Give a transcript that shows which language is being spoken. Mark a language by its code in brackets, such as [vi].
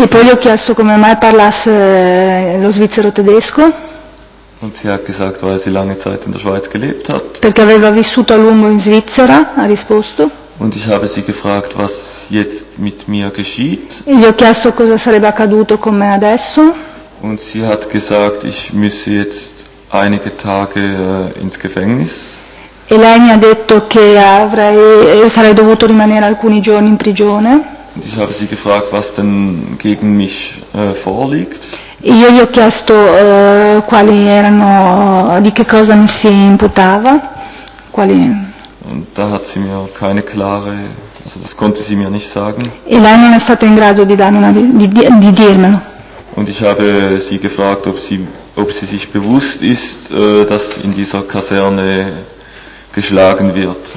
[it] E poi gli ho chiesto come mai parlasse lo svizzero tedesco. [de] Und sie hat gesagt, weil sie lange Zeit in der Schweiz gelebt hat. [it] Perché aveva vissuto a lungo in Svizzera, ha risposto. [de] Und ich habe sie gefragt, was jetzt mit mir geschieht. [it] E gli ho chiesto cosa sarebbe accaduto con me adesso. [de] Und sie hat gesagt, ich müsse jetzt einige Tage ins Gefängnis. [it] E lei mi ha detto che sarei dovuto rimanere alcuni giorni in prigione. [de] Und ich habe sie gefragt, was denn gegen mich vorliegt. [it] Io gli ho chiesto quali erano, di che cosa mi si imputava, quali. [de] Und da hat sie mir keine klare, also das konnte sie mir nicht sagen. [it] E lei non è stata in grado di dare di dirmelo. [de] Und ich habe sie gefragt, ob sie sich bewusst ist, dass in dieser Kaserne geschlagen wird.